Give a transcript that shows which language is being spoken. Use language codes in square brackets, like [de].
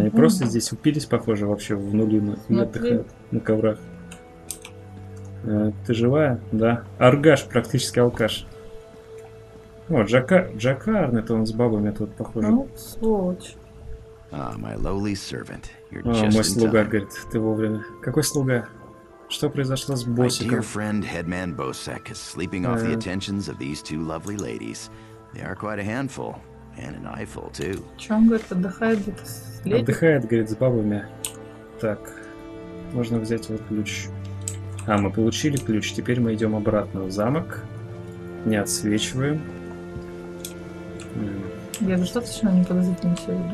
[ru] Они просто здесь упились, похоже, вообще в нули на коврах. Ты живая? Да. Аргаш, практически алкаш. О, Джакарн, это он с бабами, это вот похоже. Ну, сволочь. [en] My lowly servant. You're just in time. [ru] Мой слуга, говорит, ты вовремя. Какой слуга? Что произошло с боссиком? [en] My dear friend, headman Bosek is sleeping off the attentions of these two lovely ladies. They are quite a handful, and an eyeful too. [ru] Чё он говорит, отдыхает где-то с леди? Отдыхает, говорит, с бабами. Так, можно взять вот ключ. А, мы получили ключ. Теперь мы идем обратно в замок. Не отсвечиваем. Я достаточно неподозрительный человек.